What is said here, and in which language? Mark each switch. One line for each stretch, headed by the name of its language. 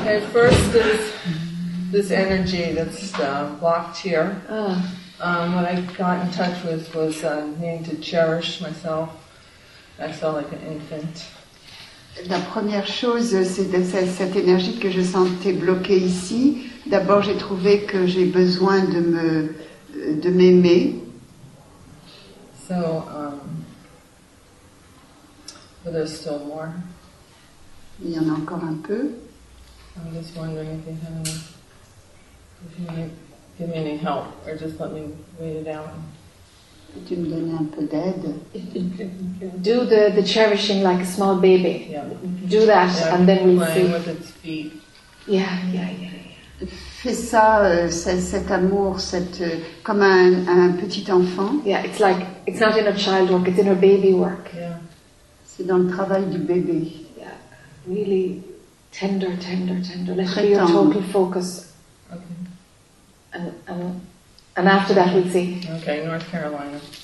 English: Okay, first is this energy that's blocked here. What I got in touch with was needing to cherish myself. I felt like an infant.
French: La première chose, c'est cette énergie que je sentais bloquée ici. D'abord, j'ai trouvé que j'ai besoin de m'aimer.
English: So, but there's still more.
French: Il y en a encore un peu.
English: I'm just wondering if you might give me any help or just let me wait it out.
French: Peux tu me donner un peu d'aide?
English: Do the cherishing like a small baby. Yeah. Do that, yeah, and then we'll see. Playing with its feet. Yeah.
French: Fais ça, cet amour, comme un petit enfant.
English: Yeah, it's like, it's not in her child work, it's in her baby work. Yeah.
French: C'est dans le travail du bébé.
English: Really tender. Let it be your total focus. Okay. And And after that, we'll see. Okay, North Carolina.